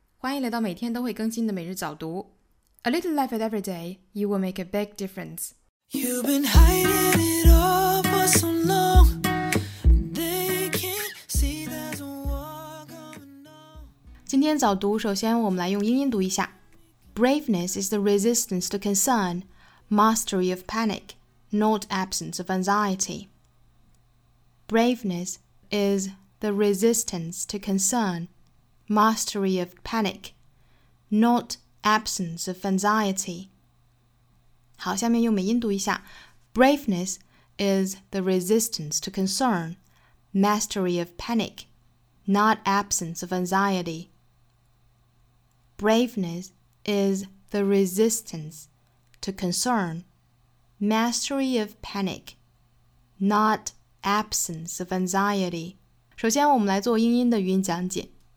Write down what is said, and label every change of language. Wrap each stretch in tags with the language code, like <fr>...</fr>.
<zh>欢迎来到每天都会更新的每日早读。</zh> <en>A little life at every day, you will make a big difference. You've been hiding it all for so long. They can't see there's a war coming on.</en> <zh>今天早读，首先我们来用英音读一下。</zh> <en>Braveness is the resistance to concern, mastery of panic, not absence of anxiety. Braveness is... The resistance to concern, mastery of panic, not absence of anxiety.</en> <zh>好，下面用美音读一下。</zh> <en>Braveness is the resistance to concern, mastery of panic, not absence of anxiety. Braveness is the resistance to concern, mastery of panic, not absence of anxiety.</en> <zh>首先我们来做英音的语音讲解。</zh>